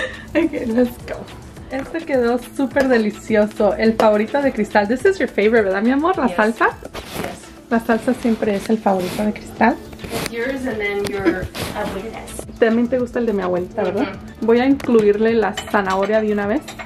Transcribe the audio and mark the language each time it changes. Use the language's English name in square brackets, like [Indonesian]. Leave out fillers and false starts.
[English] Okay, let's go. [Spanish] Este quedó súper delicioso. El favorito de Cristal. [English] This is your favorite, [Spanish] ¿verdad, mi amor? La [English] yes. [Spanish] salsa. [English] Yes. [Spanish] La salsa siempre es el favorito de Cristal. [English] It's yours and then your abuelita's. [Spanish] También te gusta el de mi abuelita, mm-hmm. ¿verdad? Voy a incluirle la zanahoria de una vez.